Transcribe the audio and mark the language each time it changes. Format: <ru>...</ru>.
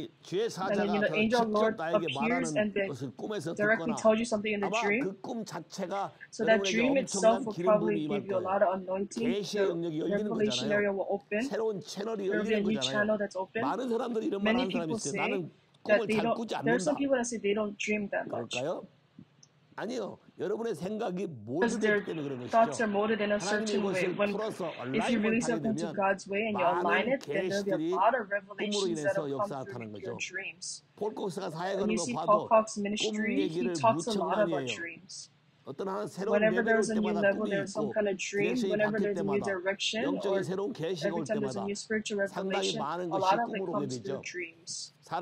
<en>And then, you know, the angel of the Lord appears and then directly tells you something in the dream. So that dream itself will probably give you a lot of anointing. The revelation area will open. There'll be a new channel that's open. Many people say that they don't, there are some people that say they don't dream that much.</en> <ko>아니요, 여러분의 생각이 모든 그런 것이죠.</ko> <en>Thoughts are molded in a certain way. When if you release it into God's way and you align it, then there'll be a lot of revelations that will come through your dreams. When you see Paul Cox's ministry, he talks a lot about dreams. Whenever there's a new level, there's some kind of dream. Whenever there's a new direction, or every time there's a new spiritual revelation, a lot of it comes through dreams.</en>